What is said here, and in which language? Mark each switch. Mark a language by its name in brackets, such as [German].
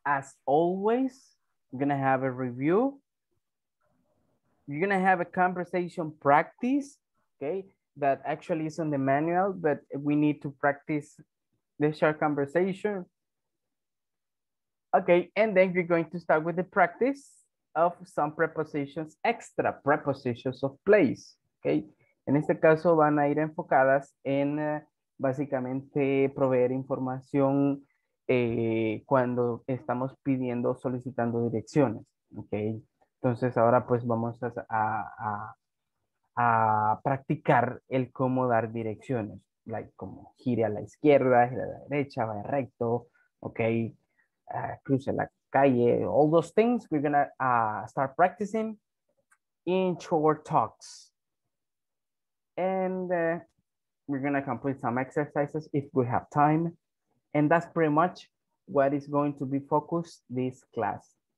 [English] As always, we're gonna have a review. You're gonna have a conversation practice, okay? That actually is on the manual, but we need to practice the short conversation. Okay, and then we're going to start with the practice of some prepositions, extra prepositions of place, okay? [Spanish] En este caso van a ir enfocadas en básicamente proveer información cuando estamos pidiendo, solicitando direcciones, okay? Entonces ahora pues vamos a practicar el cómo dar direcciones, like como gire a la izquierda, gire a la derecha, vaya recto, okay? Cruce la calle, [English] all those things we're gonna start practicing in short talks. And we're gonna complete some exercises if we have time. And that's pretty much what is going to be focused this class.